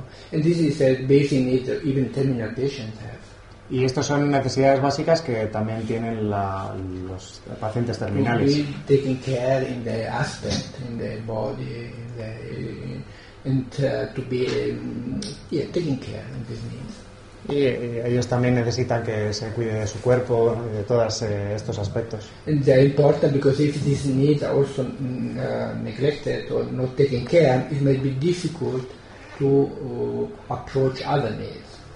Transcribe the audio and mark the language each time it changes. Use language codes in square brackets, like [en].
[en] And this is a basic need that even terminal patients have. [es] Y estas son necesidades básicas que también tienen los pacientes terminales. [en] We taking care in the aspect, in the body, in the, in, to be yeah, taking care in these needs. [es] Y ellos también necesitan que se cuide de su cuerpo y de todos estos aspectos. [en] And they're important because if these needs are also neglected or not taken care, it may be difficult to approach other needs.